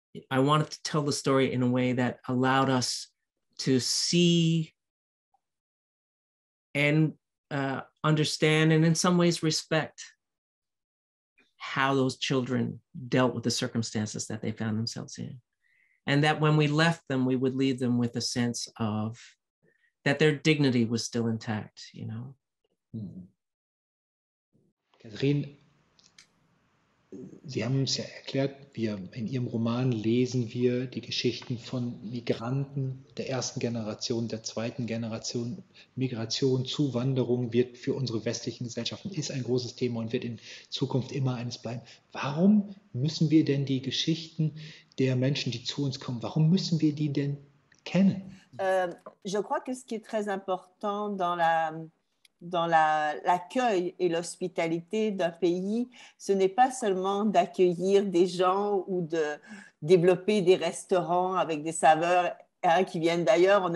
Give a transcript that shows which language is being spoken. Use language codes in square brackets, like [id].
[en] I wanted to tell the story in a way that allowed us to see and understand and in some ways respect how those children dealt with the circumstances that they found themselves in. And that when we left them, we would leave them with a sense of that their dignity was still intact, you know? [de] Catherine, Sie haben uns ja erklärt, wir in Ihrem Roman lesen wir die Geschichten von Migranten der ersten Generation, der zweiten Generation. Migration, Zuwanderung wird für unsere westlichen Gesellschaften ist ein großes Thema und wird in Zukunft immer eines bleiben. Warum müssen wir denn die Geschichten der Menschen, die zu uns kommen, warum müssen wir die denn kennen? [fr] Je crois que ce qui est très important dans la dans la, l'accueil et l'hospitalité d'un pays, ce n'est pas seulement d'accueillir des gens ou de développer des restaurants avec des saveurs hein, qui viennent d'ailleurs.